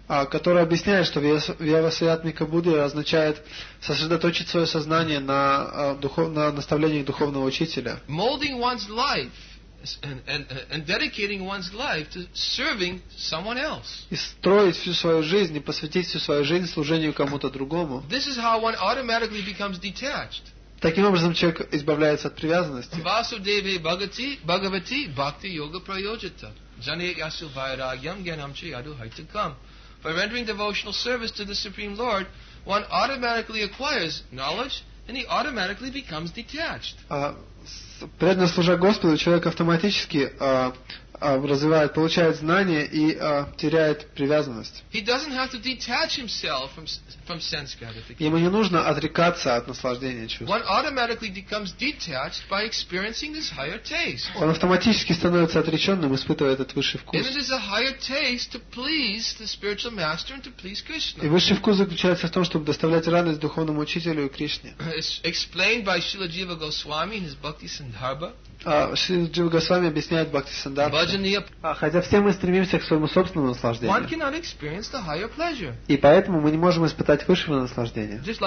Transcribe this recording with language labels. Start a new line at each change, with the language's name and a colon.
Russian: Который объясняет, что вьявасаятмика будди означает сосредоточить свое сознание на наставлениях духовного учителя.
English: Molding one's life and dedicating one's life to serving someone else.
Russian: И строить всю свою жизнь и посвятить всю свою жизнь служению кому-то другому.
English: This is how one automatically becomes detached.
Russian: Таким образом, человек избавляется от привязанности.
Sanskrit: Васудеве Бхагавати Бхакти Йога Прайоджита Джане Ясу Вайрагьям Гьянам Чи Яду Хайтакам.
English: By rendering devotional service to the Supreme Lord, one automatically acquires knowledge and he automatically becomes detached.
Russian: Преданно служа Господу, человек автоматически развивает, получает знания и теряет привязанность.
English: He doesn't have to detach himself from sense gratification.
Russian: Ему не нужно отрекаться от наслаждения чувств.
English: One automatically becomes detached by experiencing this higher taste.
Russian: Он автоматически становится отреченным, испытывая этот высший вкус.
English: And it is a higher taste to please the spiritual master and to please Krishna.
Russian: И высший вкус заключается в том, чтобы доставлять радость духовному учителю и Кришне.
English: Explained by Srila Jiva Goswami in his Bhakti Sandarbha.
Russian: Шрила Джива Госвами объясняет Бхакти Сандарбху. Хотя все мы стремимся к своему собственному наслаждению. И поэтому мы не можем испытать высшего наслаждения.